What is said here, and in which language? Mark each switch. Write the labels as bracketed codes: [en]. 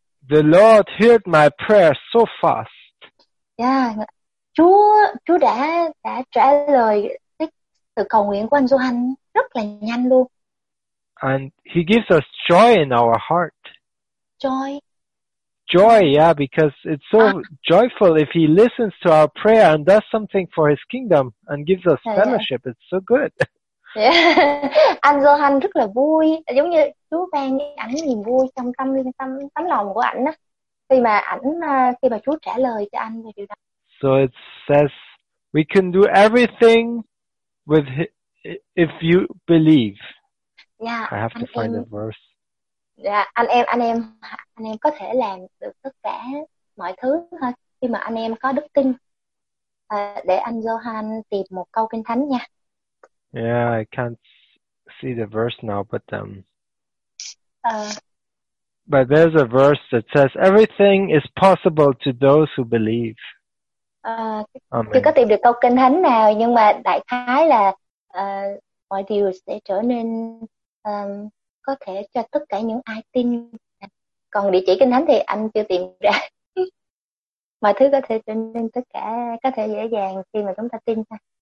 [en] The Lord heard my prayer so fast. [vi] Yeah, Chúa đã trả lời sự cầu nguyện của anh Johan rất là nhanh luôn. [en] And He gives us joy in our heart. Joy. Joy, yeah, because it's so joyful if He listens to our prayer and does something for His kingdom and gives us fellowship. Yeah. It's so good. Yeah. [vi] Anh Johan rất là vui, giống như Chúa ban ảnh niềm vui trong tâm lòng của ảnh á. Khi mà Chúa trả lời cho anh về điều đó. [en] So it says we can do everything with if you believe. Yeah, I have to find the verse. [vi] Yeah, anh em có thể làm được tất cả mọi thứ ha, khi mà anh em có đức tin. Để anh Johan tìm một câu kinh thánh nha. [en] Yeah, I can't see the verse now, but there's a verse that says everything is possible to those who believe. [vi] Chưa có tìm được câu kinh thánh nào, nhưng mà đại khái là mọi điều sẽ trở nên có thể cho tất cả những ai tin. Còn địa chỉ kinh thánh thì anh chưa tìm ra. Mọi thứ có thể trở nên tất cả có thể dễ dàng khi mà chúng ta tin ha.